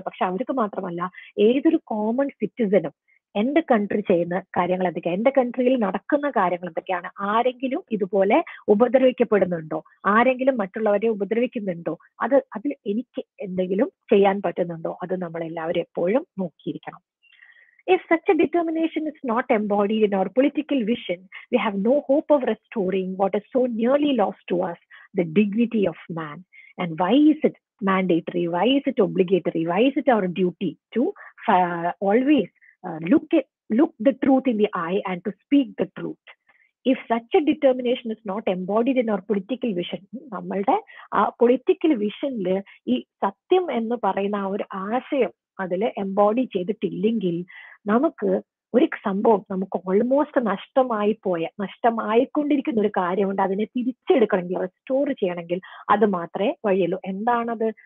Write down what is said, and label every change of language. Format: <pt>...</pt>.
<ml>പക്ഷെ അവർക്ക് മാത്രമല്ല, ഏതൊരു കോമൺ സിറ്റിസനും. എന്റെ കൺട്രി ചെയ്യുന്ന കാര്യങ്ങൾ എന്തൊക്കെയാണ്, എന്റെ കൺട്രിയിൽ നടക്കുന്ന കാര്യങ്ങൾ എന്തൊക്കെയാണ്, ആരെങ്കിലും ഇതുപോലെ ഉപദ്രവിക്കപ്പെടുന്നുണ്ടോ, ആരെങ്കിലും മറ്റുള്ളവരെ ഉപദ്രവിക്കുന്നുണ്ടോ, അത് അതിൽ എനിക്ക് എന്തെങ്കിലും ചെയ്യാൻ പറ്റുന്നുണ്ടോ, അത് നമ്മളെല്ലാവരും എപ്പോഴും നോക്കിയിരിക്കണം.</ml> <en>If such a determination is not embodied in our political vision, we have no hope of restoring what is so nearly lost to us, the dignity of man. And why is it mandatory? Why is it obligatory? Why is it our duty to always look the truth in the eye and to speak the truth? If such a determination is not embodied in our political vision,</en> <ml>നമ്മളുടെ ആ political വിഷനിൽ ഈ സത്യം എന്ന് പറയുന്ന ആ ഒരു ആശയം അതിൽ എംബോഡി ചെയ്തിട്ടില്ലെങ്കിൽ, നമുക്ക് ഒരു സംഭവം നമുക്ക് ഓൾമോസ്റ്റ് നഷ്ടമായിക്കൊണ്ടിരിക്കുന്ന ഒരു കാര്യമുണ്ട്, അതിനെ തിരിച്ചെടുക്കണമെങ്കിൽ, റെസ്റ്റോർ ചെയ്യണമെങ്കിൽ അത് മാത്രമേ വഴിയുള്ളൂ. എന്താണത്?</ml>